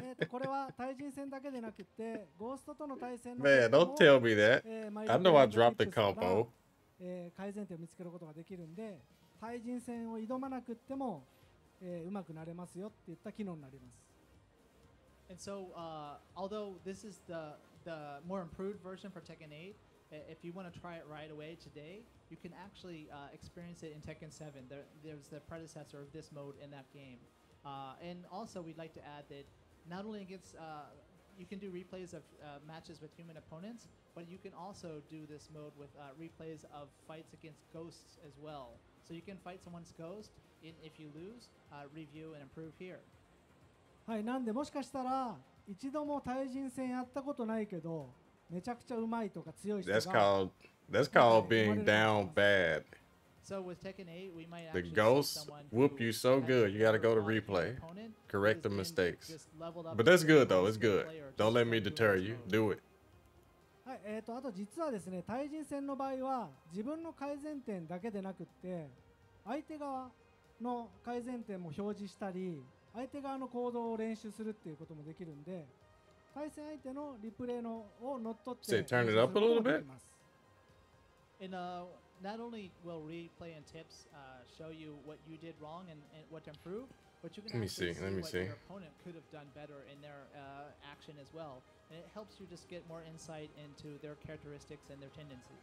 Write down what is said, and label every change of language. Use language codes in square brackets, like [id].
[ja] これは対人戦だけでなくて、ゴーストとの対戦の。 [en] Man, don't tell me that. I know I dropped the combo. [ja] 改善点を見つけることができるんで、対人戦を挑まなくても。うまくなれますよって言った機能になります。 [en] And so, although this is the more improved version for Tekken 8, if you want to try it right away today, you can actually experience it in Tekken 7. There's the predecessor of this mode in that game. And also, we'd like to add that not only against, you can do replays of matches with human opponents, but you can also do this mode with replays of fights against ghosts as well. So you can fight someone's ghost. If you lose, review and improve here. [ja] はい、なんでもしかしたら一度も対人戦やったことないけどめちゃくちゃうまいとか強い人が。 [en] That's called being down bad. So with Tekken 8, we might the ghosts whoop you so good, you gotta go to replay, correct the mistakes. But that's good though. It's good. Don't let me deter you. Do it. [ja] はい、あと実はですね、対人戦の場合は自分の改善点だけでなくって相手側の改善点も表示したり、相手側の行動を練習するっていうこともできるんで、対戦相手のリプレイのを乗っ取って、 [en] Say, turn it up a little bit. And not only will replay and tips show you what you did wrong and what to improve, but you can Let me see. Your opponent could have done better in their action as well. And it helps you just get more insight into their characteristics and their tendencies.